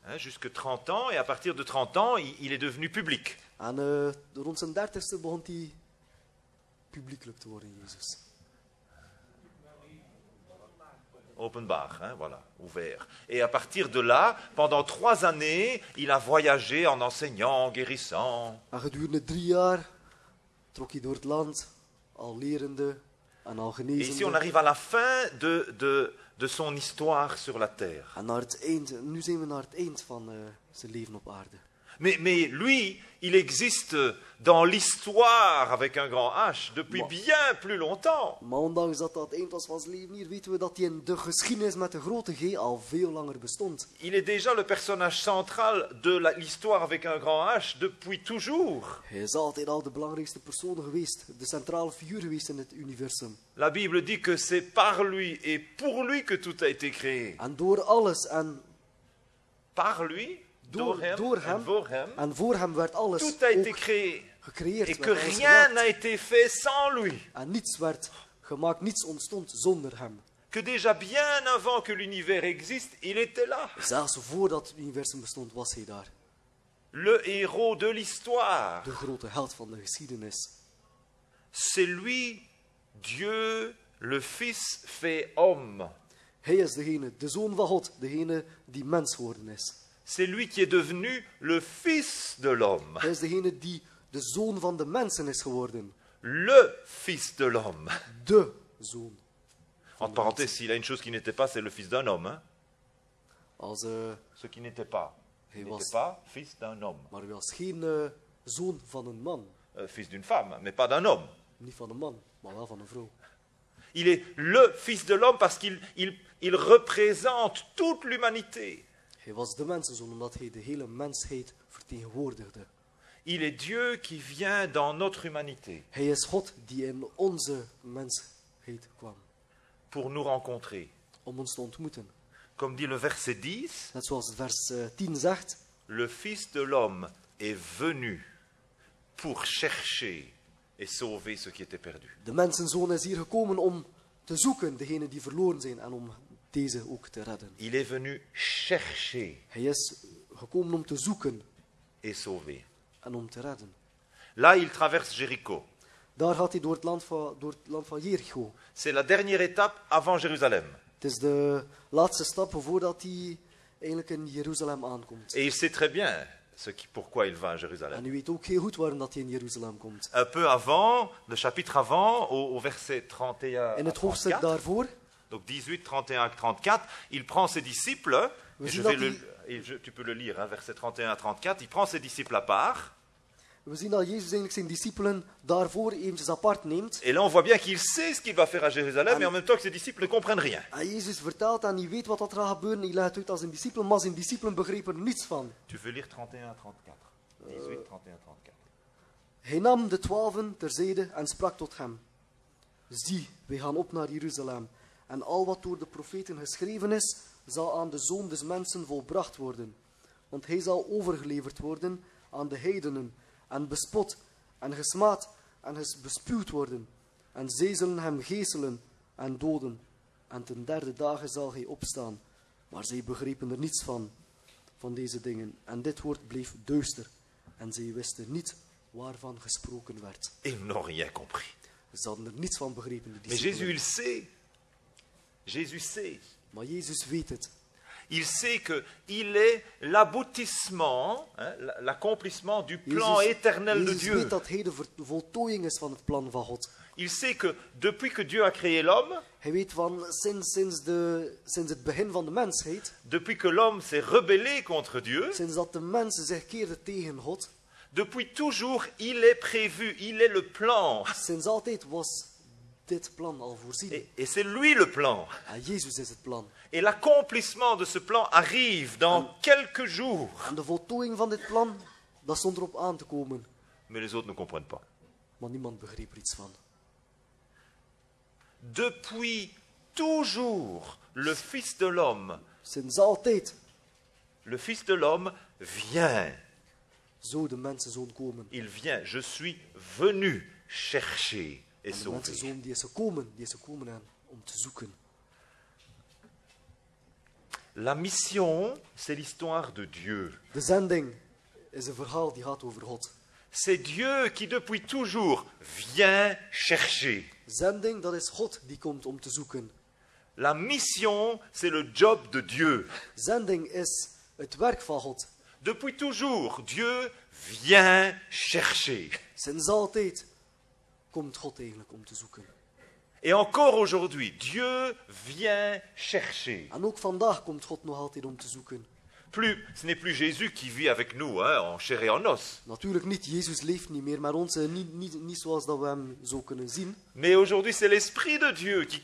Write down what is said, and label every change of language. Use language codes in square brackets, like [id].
[fr] Jusque 30 ans, et à partir de 30 ans, il est devenu public. [nl] En rond zijn 30ste begon hij publiekelijk te worden, Jezus. [fr] Openbaar, hein, voilà, ouvert. Et à partir de là, pendant 3 années, il a voyagé en enseignant, en guérissant. [nl] En gedurende 3 jaar trok hij door het land, al lerende en al genezende. [fr] Et ici on arrive à la fin de son histoire sur la terre. [nl] En naar het eind, nu zijn we naar het eind van zijn leven op aarde. [fr] Mais lui, il existe dans l'histoire avec un grand H depuis bien plus longtemps. [nl] Maar ondanks dat het eind was van zijn leven hier, weten we dat hij in de geschiedenis met de grote G al veel langer bestond. [fr] Il est déjà le personnage central de l'histoire avec un grand H depuis toujours. [nl] Hij is altijd al de belangrijkste persoon geweest, de centrale figuur geweest in het universum. [fr] La Bible dit que c'est par lui et pour lui que tout a été créé. [nl] En door alles en... [fr] Par lui? [nl] Door hem. En voor hem. En voor hem werd alles [fr] tout a été créé. [nl] Gecreëerd. [fr] Et que rien n'a été fait sans lui. [nl] En niets werd gemaakt, niets ontstond zonder hem. [fr] Que déjà bien avant que l'univers existe, il était là. [nl] Zelfs voordat het universum bestond, was hij daar. [fr] Le héros de l'histoire. [nl] De grote held van de geschiedenis. [fr] C'est lui, Dieu, le Fils fait homme. [nl] Hij is degene, de zoon van God, degene die mens geworden is. [fr] C'est lui qui est devenu le Fils de l'homme. [nl] Hij is degene die de zoon van de mensen is geworden. [fr] Le Fils de l'homme. [nl] De zoon. [fr] Entre parenthèses, s'il a une chose qui n'était pas, c'est le fils d'un homme. [nl] Als, [fr] ce qui n'était pas. Il n'était pas fils d'un homme. [nl] Maar was geen, zoon van een man. [fr] Fils d'une femme, mais pas d'un homme. [nl] Niet van een man, maar wel van een vrouw. [fr] Il est le fils de l'homme parce qu'il représente toute l'humanité. [nl] Hij was de mensenzoon omdat hij de hele mensheid vertegenwoordigde. [fr] Il est Dieu qui vient dans notre humanité. [nl] Hij is God die in onze mensheid kwam. [fr] Pour nous rencontrer. [nl] Om ons te ontmoeten. [fr] Comme dit le verset 10, [nl] net zoals het vers 10 zegt. [fr] Le fils de l'homme est venu pour chercher et sauver ce qui était perdu. [nl] De mensenzoon is hier gekomen om te zoeken degene die verloren zijn en om deze ook te redden. [fr] Il est venu chercher. [nl] Hij is gekomen om te zoeken. [fr] Et sauver. [nl] En om te redden. [fr] Là, il traverse Jéricho. [nl] Daar gaat hij door het land van Jericho. [fr] C'est la dernière étape avant Jérusalem. [nl] Het is de laatste stap voordat hij eigenlijk in Jeruzalem aankomt. [fr] Et il sait très bien ce qui, pourquoi il va à Jérusalem. [nl] En hij weet ook heel goed waarom dat hij in Jeruzalem komt. [fr] Un peu avant, le chapitre avant, au verset 31. [nl] In het hoofdstuk daarvoor. [fr] Donc 18, 31, 34, il prend ses disciples. Tu peux le lire, hein, verset 31, 34. Il prend ses disciples à part. [nl] We zien dat Jezus eigenlijk zijn discipelen daarvoor eventjes apart neemt. [fr] Et là on voit bien qu'il sait ce qu'il va faire à Jérusalem, mais en même temps que ses disciples ne comprennent rien. [nl] En Jezus vertelt en hij weet wat dat gaat gebeuren. Hij legt uit aan zijn discipelen, maar zijn discipelen begrepen niets van. [fr] Tu veux lire 31, 34. 18, 31, 34. [nl] Hij nam de 12 terzijde en sprak tot hem. Zie, wij gaan op naar Jeruzalem. En al wat door de profeten geschreven is, zal aan de zoon des mensen volbracht worden. Want hij zal overgeleverd worden aan de heidenen. En bespot, en gesmaad, en bespuwd worden. En zij zullen hem geeselen en doden. En ten derde dagen zal hij opstaan. Maar zij begrepen er niets van deze dingen. En dit woord bleef duister. En zij wisten niet waarvan gesproken werd. [fr] Ils n'ont rien compris. [nl] Ze hadden er niets van begrepen. [fr] Mais Jésus, il sait. Jésus sait. [nl] Maar Jezus weet het. [fr] Il sait que il est l'aboutissement, hein, l'accomplissement du plan Jesus, éternel Jesus de Dieu. [nl] Weet dat hij de voltooiing is van het plan van God. [fr] Il sait que depuis que Dieu a créé l'homme, [nl] hij weet van sinds het begin van de mensheid, [fr] depuis que l'homme s'est rebellé contre Dieu, [nl] sinds dat de mens zich keerde tegen God, [fr] depuis toujours il est prévu, il est le plan. [nl] Sinds altijd was dit plan al voorzien. [fr] Et c'est lui le plan. [nl] En Jezus is het plan. [fr] Et l'accomplissement de ce plan arrive dans quelques jours. [nl] En de voltooiing van dit plan, dat stond erop aan te komen. [fr] Mais les autres ne comprennent pas. [nl] Maar niemand begreep er iets van. [fr] Depuis toujours, le fils de l'homme. [nl] Sinds altijd. [fr] Le fils de l'homme vient. [nl] Zo de mensenzoon komen. [fr] Il vient, je suis venu chercher. Et [nl] de mensenzoon die is gekomen aan om te zoeken. [fr] La mission, c'est l'histoire de Dieu. [nl] De zending is een verhaal die gaat over God. [fr] C'est Dieu qui depuis toujours vient chercher. [nl] Zending, dat is God die komt om te zoeken. [fr] La mission, c'est le job de Dieu. [nl] Zending is het werk van God. [fr] Depuis toujours, Dieu vient chercher. [nl] Sinds altijd komt God eigenlijk om te zoeken. [fr] Et encore aujourd'hui, Dieu vient chercher. [nl] En ook vandaag komt God nog altijd om te zoeken. [fr] Plus, ce n'est plus Jésus qui vit avec nous, hein, en chair et en os. [nl] Natuurlijk niet, Jezus leeft niet meer, maar ons niet zoals dat we hem zo kunnen zien. [fr] Mais aujourd'hui, c'est l'Esprit de Dieu qui